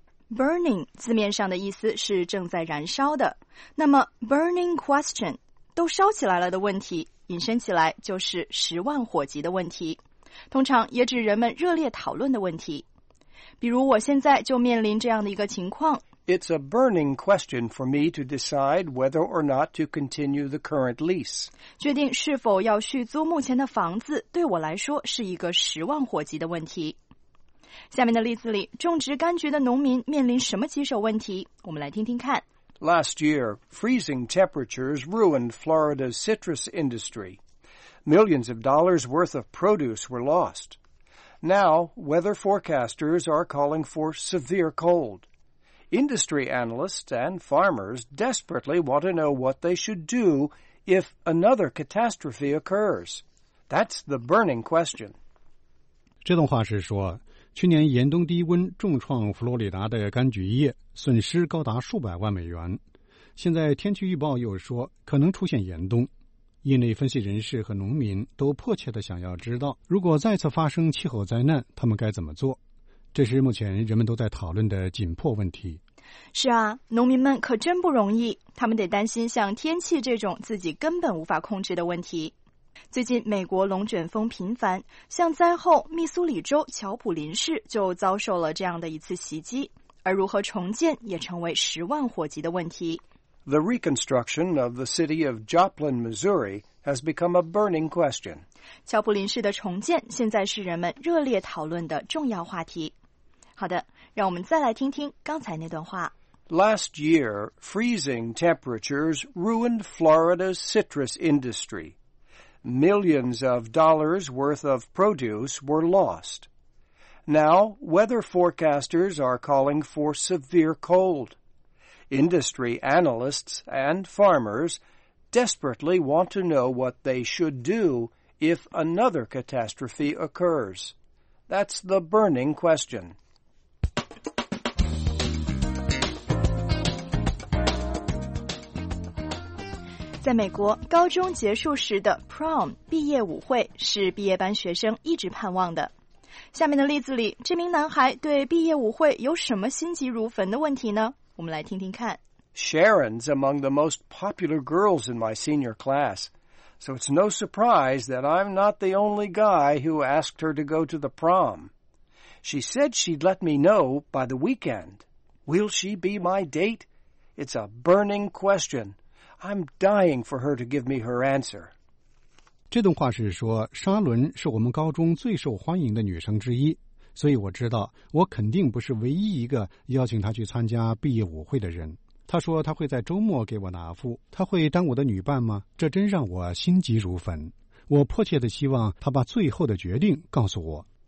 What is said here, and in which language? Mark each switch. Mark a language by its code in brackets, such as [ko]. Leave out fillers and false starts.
[zh] Burning 字面上的意思是正在燃烧的，那么 burning question, 都烧起来了的问题，引申起来就是十万火急的问题，通常也指人们热烈讨论的问题。比如我现在就面临这样的一个情况。 [en] It's a burning question for me to decide whether or not to continue the current lease. [zh] 决定是否要续租目前的房子对我来说是一个十万火急的问题。下面的例子里，种植柑橘的农民面临什么棘手问题？我们来听听看。 [en] Last year, freezing temperatures ruined Florida's citrus industry. Millions of dollars worth of produce were lost. Now, weather forecasters are calling for severe cold. Industry analysts and farmers desperately want to know what they should do if another catastrophe occurs. That's the burning question. [zh] 这段话是说，去年严冬低温重创佛罗里达的柑橘业，损失高达数百万美元。现在天气预报又说可能出现严冬。业内分析人士和农民都迫切地想要知道，如果再次发生气候灾难，他们该怎么做。这是目前人们都在讨论的紧迫问题。是啊，农民们可真不容易，他们得担心像天气这种自己根本无法控制的问题。最近美国龙卷风频繁，像灾后密苏里州乔普林市就遭受了这样的一次袭击，而如何重建也成为十万火急的问题。 [en] The reconstruction of the city of Joplin, Missouri has become a burning question. [zh] 乔普林式的重建现在是人们热烈讨论的重要话题。好的，让我们再来听听刚才那段话。 [en] Last year, freezing temperatures ruined Florida's citrus industry. Millions of dollars worth of produce were lost. Now, weather forecasters are calling for severe cold. Industry analysts and farmers desperately want to know what they should do if another catastrophe occurs. That's the burning question. [zh] 在美国，高中结束时的 prom 毕业舞会是毕业班学生一直盼望的。下面的例子里，这名男孩对毕业舞会有什么心急如焚的问题呢？我们来听听看。 [en] Sharon's among the most popular girls in my senior class, so it's no surprise that I'm not the only guy who asked her to go to the prom. She said she'd let me know by the weekend. Will she be my date? It's a burning question. I'm dying for her to give me her answer. [zh] 这段话是说，沙伦是我们高中最受欢迎的女生之一，所以我知道我肯定不是唯一一个邀请她去参加毕业舞会的人。她说她会在周末给我答复，她会当我的女伴吗？这真让我心急如焚。我迫切地希望她把最后的决定告诉我。